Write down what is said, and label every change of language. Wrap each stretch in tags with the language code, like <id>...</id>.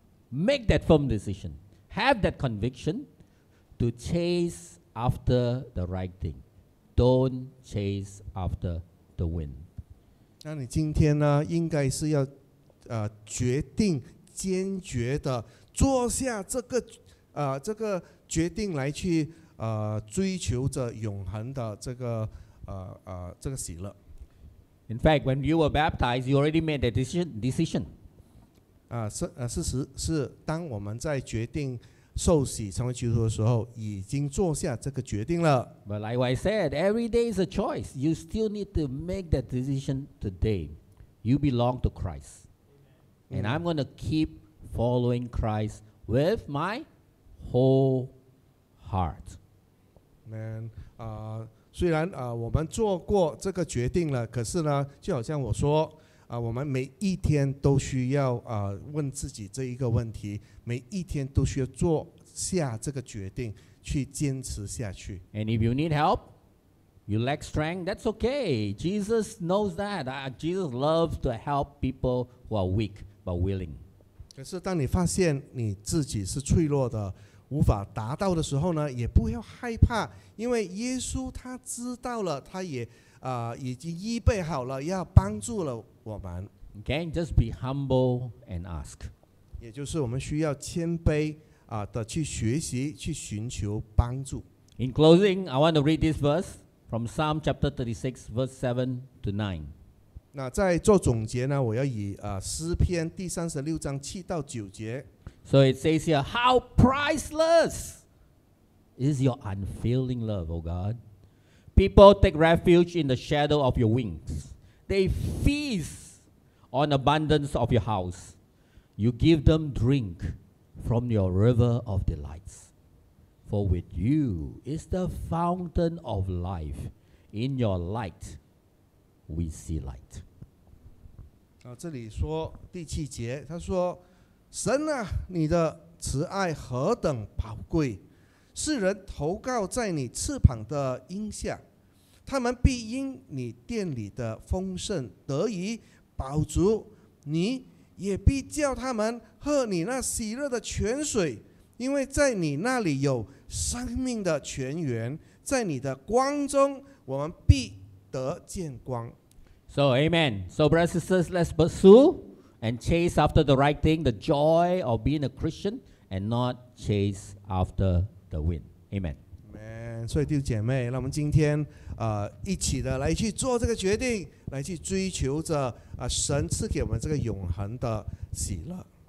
<en>Make that firm decisionHave that conviction to chase after the right thing. Don't chase after the wind.</en> <zh>那你今天呢，应该是要决定坚决的做下这个决定来去追求着永恒的这个喜乐。</zh> <en>In fact, when you were baptized, you already made a decision.</en> <zh>事实是当我们在决定受洗成为基督徒的时候，已经做下这个决定了。</zh> <en>But like I said, every day is a choice. You still need to make that decision today. You belong to Christ. And I'm going to keep following Christ with my whole heart.</en> <zh>Man, 虽然我们做过这个决定了，可是呢，就好像我说，我们每一天都需要问自己这一个问题，每一天都需要做下这个决定，去坚持下去。</zh> <en>And if you need help, you lack strength, that's okay. Jesus knows that. Jesus loves to help people who are weak but willing.</en> <zh>可是当你发现你自己是脆弱的，无法达到的时候呢，也不要害怕，因为耶稣他知道了，他也已经预备好了要帮助了我们。</zh> <en>Okay, just be humble and ask.</en> <zh>也就是我们需要谦卑的去学习，去寻求帮助。</zh> <en>In closing, I want to read this verse from Psalm chapter 36, verse 7 to 9.</en> <zh>那在做总结呢，我要以诗篇第36章7到9节。</zh> <en>So it says here, how priceless is your unfailing love, O God. People take refuge in the shadow of your wings. They feast on abundance of your house. You give them drink from your river of delights. For with you is the fountain of life. In your light, we see light.</en> <zh>这里说第七节，他说神啊，你的慈爱何等宝贵，世人投靠在你翅膀的荫下，他们必因你殿里的丰盛得以饱足，你也必叫他们喝你那喜乐的泉水，因为在你那里有生命的泉源，在你的光中我们必得见光。</zh> <en>So amen. So brothers and sisters, let's pursue and chase after the right thing, the joy of being a Christian, and not chase after the wind. Amen. Amen.</en> <zh>所以弟兄姐妹，那我们今天一起的来去做这个决定，来去追求着神赐给我们这个永恒的喜乐。</zh>